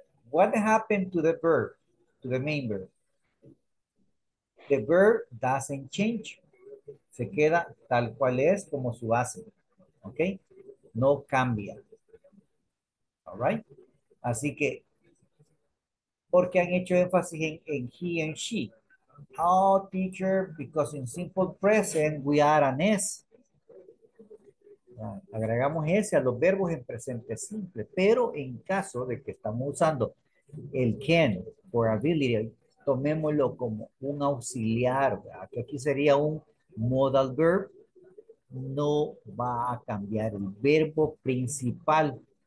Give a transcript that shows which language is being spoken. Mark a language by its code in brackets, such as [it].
[en] What happened to the verb, to the main verb? The verb doesn't change. [es] Se queda tal cual es como su base. ¿Ok? No cambia. [en] All right? [es] Así que, ¿por qué han hecho énfasis en [en] he and she? Oh, teacher, because in simple present we are an S. [es] Agregamos S a los verbos en presente simple, pero en caso de que estamos usando el [en] can for ability, [es] tomémoslo como un auxiliar, ¿verdad? Que aquí sería un modal verb, no va a cambiar el verbo principal.